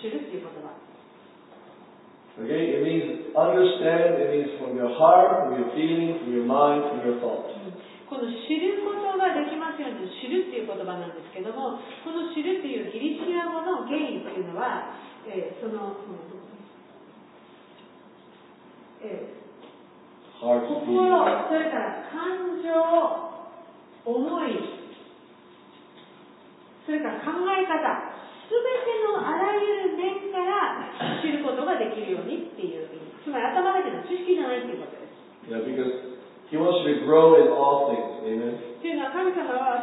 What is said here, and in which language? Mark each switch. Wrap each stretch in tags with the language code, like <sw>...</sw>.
<en>Okay, it means understand, it means from your heart, from your feeling, from your mind, from your thought.</en> <ja>この知ることができますように知るっていう言葉なんですけども、この知るっていうギリシア語の原因っていうのは、心、それから感情、思い、それから考え方、すべてのあらゆる面から知ることができるようにっていう、つまり頭だけの知識じゃないっていうことです。</ja> <en>Yeah, becauseHe wants you to grow in all things. Amen.</en>